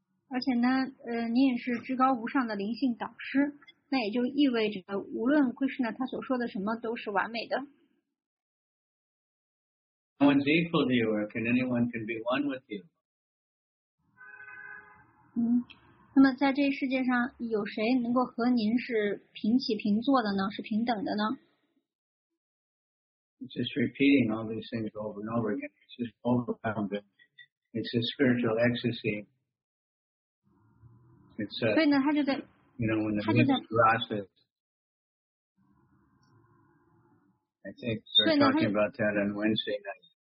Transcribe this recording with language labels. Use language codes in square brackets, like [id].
[zh] 而且呢, 你也是至高无上的灵性导师, 那也就意味着, 无论 Krishna 他所说的什么, 都是完美的。No [en] one's equal to you, or can anyone can be one with you? [zh] 那么在这世界上有谁能够和您是平起平坐的呢？是平等的呢？ [en] It's just repeating all these things over and over again. It's just overwhelming. It's a spiritual ecstasy. It's a, [zh] 所以呢,他就在, [en] you know, when the process. I think we're talking about that on Wednesday night.